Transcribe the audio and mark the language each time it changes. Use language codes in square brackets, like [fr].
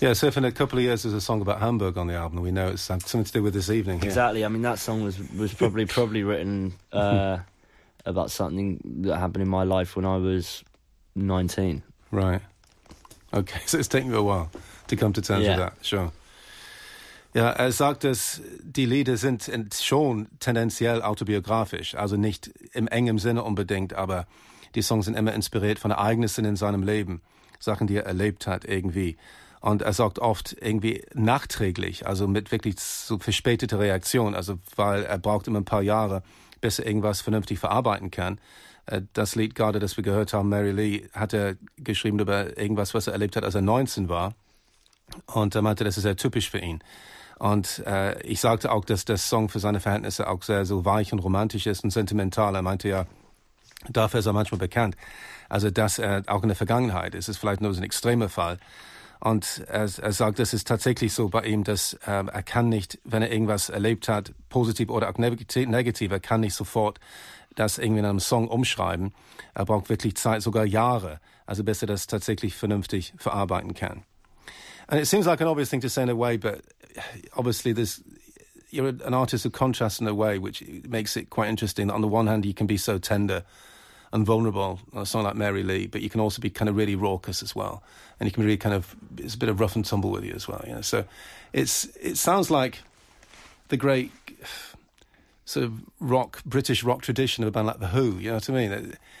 [en] Yeah, so if in a couple of years there's a song about Hamburg on the album, we know it's something to do with this evening here. Exactly. I mean, that song was probably written about something that happened in my life when I was 19. Right. Okay, so it's taken you a while to come to terms with that, sure. [de] Ja, er sagt, dass die Lieder sind schon tendenziell autobiografisch, also nicht im engen Sinne unbedingt, aber die Songs sind immer inspiriert von Ereignissen in seinem Leben, Sachen, die er erlebt hat irgendwie. Und er sagt oft irgendwie nachträglich, also mit wirklich so verspätete Reaktion, also weil er braucht immer ein paar Jahre, bis er irgendwas vernünftig verarbeiten kann. Das Lied gerade, das wir gehört haben, Mary Lee, hat er geschrieben über irgendwas, was er erlebt hat, als er 19 war. Und er meinte, das ist sehr typisch für ihn. Und ich sagte auch, dass der Song für seine Verhältnisse auch sehr so weich und romantisch ist und sentimental. Er meinte ja, dafür ist er manchmal bekannt. Also, dass er auch in der Vergangenheit ist. Es ist vielleicht nur so ein extremer Fall. Und er sagt, es ist tatsächlich so bei ihm, dass er kann nicht, wenn er irgendwas erlebt hat, positiv oder auch negativ, er kann nicht sofort das irgendwie in einem Song umschreiben. Er braucht wirklich Zeit, sogar Jahre, also bis er das tatsächlich vernünftig verarbeiten kann. [en] And it seems like an obvious thing to say in a way, but obviously you're an artist of contrast in a way, which makes it quite interesting. On the one hand, you can be so tender and vulnerable, a song like Mary Lee, but you can also be kind of really raucous as well. And you can really kind of, it's a bit of rough and tumble with you as well. You know? So it sounds like the great sort of British rock tradition of a band like The Who, you know what I mean?